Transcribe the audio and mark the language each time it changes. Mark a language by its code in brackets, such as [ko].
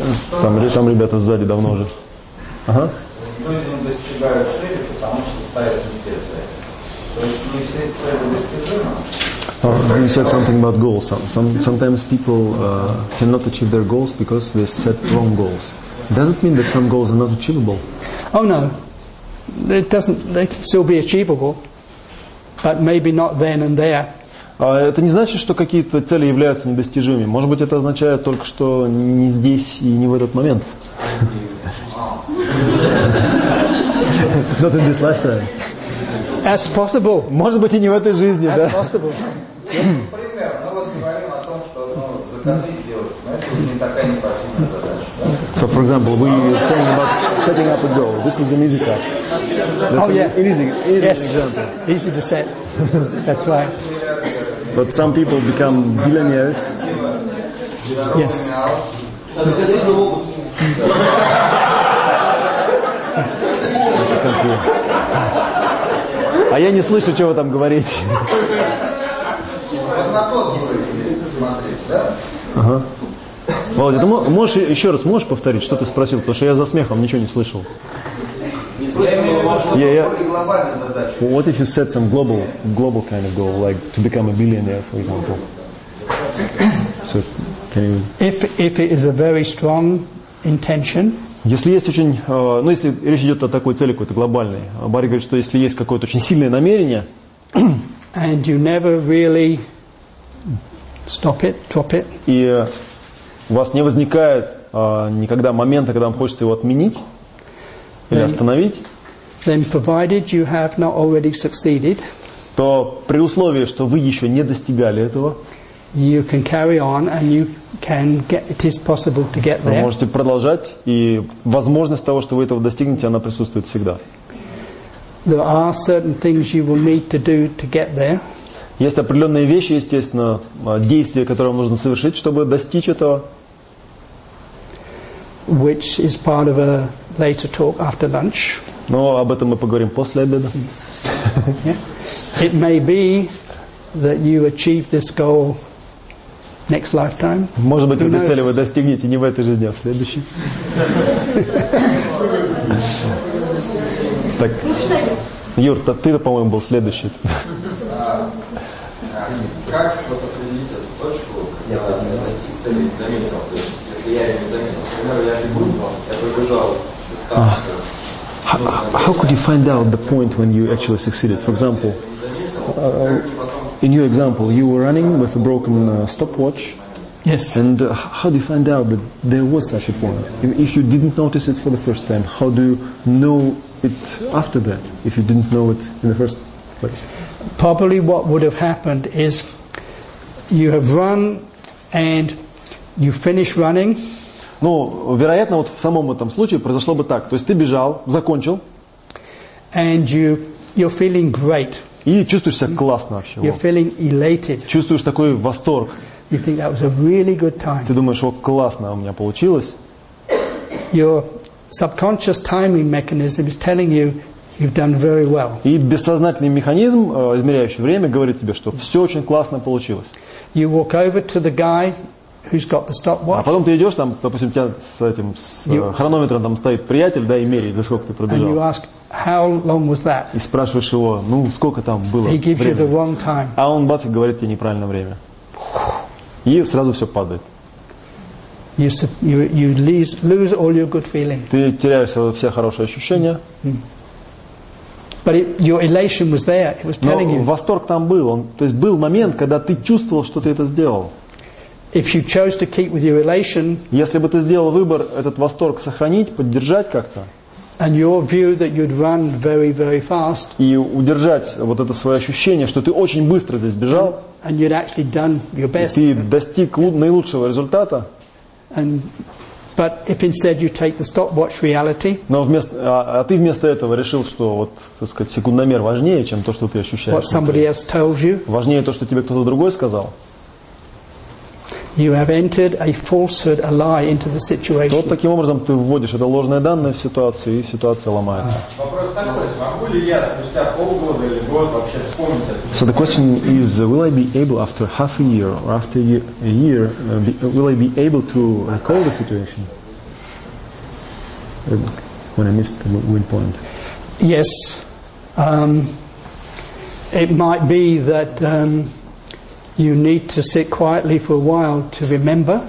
[ru] Там ребята сзади давно уже. Ага. Люди достигают цели, потому что ставят не те цели. [en] You said something about goals. Sometimes people cannot achieve their goals because they set wrong goals. Does it mean that some goals are not achievable? Oh no, it doesn't. They can still be achievable, but maybe not then and there. [ru] Это не значит, что какие-то цели являются недостижимыми. Может быть, это означает только что не здесь и не в этот момент. [en] Not in this lifetime. As possible. [ru] Может быть, и не в этой жизни, [en] as [ru] да. [en] As possible. [ru] Например, мы вот говорим о том, что заказы делать, но это уже не такая непосильная задача. [en] So, for example, we are saying about setting up a goal. This is an easy task. That's an easy example. Easy to set. That's why. But some people become billionaires. Yes. [ru] А я не слышу, что вы там говорите. Володя, ты можешь еще раз, можешь повторить, что ты спросил? Потому что я за смехом ничего не слышал. Не слышал, но можно только глобальные задачи. [en] What if you set some global kind of goal, like to become a billionaire, for example? So, can you... If it is a very strong intention... [ru] Если есть очень, ну если речь идет о такой цели какой-то глобальной, Барри говорит, что если есть какое-то очень сильное намерение, [en] and you never really stop it, drop it. [ru] И у вас не возникает никогда момента, когда вам хочется его отменить или остановить, [en] then provided you have not already succeeded, [ru] то при условии, что вы еще не достигали этого, [en] you can carry on and you can get, it is possible to get there. [ru] Вы можете продолжать, и возможность того, что вы этого достигнете, она присутствует всегда. [en] There are certain things you will need to do to get there. [ru] Есть определенные вещи, естественно, действия, которые вам нужно совершить, чтобы достичь этого. [en] Which is part of a later talk after lunch. [ru] Но об этом мы поговорим после обеда. [en] Yeah. It may be that you achieve this goal next lifetime. [ru] Может быть, этой цели вы достигнете не в этой жизни, а в следующей. Так, Юр, ты, по-моему, был следующий. Как вот определить, цели не заметил. То есть, если я ее не заметил, например, я не буду вам, я пробежал состав. [en] How could you find out the point when you actually succeeded? For example, in your example, you were running with a broken stopwatch. Yes. And how do you find out that there was such a point? If you didn't notice it for the first time, how do you know it after that, if you didn't know it in the first place? Probably what would have happened is you have run and you finish running. [ru] Ну, вероятно, вот в самом этом случае произошло бы так. То есть ты бежал, закончил. [en] And you're feeling great. [ru] И чувствуешь себя классно вообще. [en] You're feeling elated. [ru] Чувствуешь такой восторг. [en] You think that was a really good time. [ru] Ты думаешь, о, классно у меня получилось. [en] Your subconscious timing mechanism is telling you you've done very well. [ru] И бессознательный механизм, измеряющий время, говорит тебе, что все очень классно получилось. [en] You walk over to the guy who's got the stopwatch. [ru] А потом ты идешь там, допустим, у тебя с этим хронометром там стоит приятель, да, и меряет, за сколько ты пробежал. [en] And you ask, how long was that? [ru] И спрашиваешь его, ну, сколько там было времени. [en] He gives you the wrong time. [ru] А он бац и говорит тебе неправильное время. И сразу все падает. [en] You lose all your good feelings. [ru] Ты теряешь все хорошие ощущения. [en] But your elation was there. It was telling you. [ru] Но восторг там был. То есть был момент, когда ты чувствовал, что ты это сделал. [en] If you chose to keep with your elation, [ru] если бы ты сделал выбор этот восторг сохранить, поддержать как-то, [en] and your view that you'd run very, very fast, [ru] и удержать вот это свое ощущение, что ты очень быстро здесь бежал, [en] and you'd actually done your best, [ru] и ты достиг наилучшего результата, [en] but if instead you take the stopwatch reality, [ru] но ты вместо этого решил, что вот, так сказать, секундомер важнее, чем то, что ты ощущаешь, [en] what somebody else told you, [ru] важнее то, что тебе кто-то другой сказал. [en] You have entered a falsehood, a lie into the situation. [ru] Вот таким образом ты вводишь это ложное данное в ситуацию, и ситуация ломается. Вопрос такой: могу ли я спустя полгода или год вообще вспомнить это? [en] So the question is, will I be able after half a year or after a year, will I be able to recall the situation when I missed the win point? Yes. It might be that you need to sit quietly for a while to remember.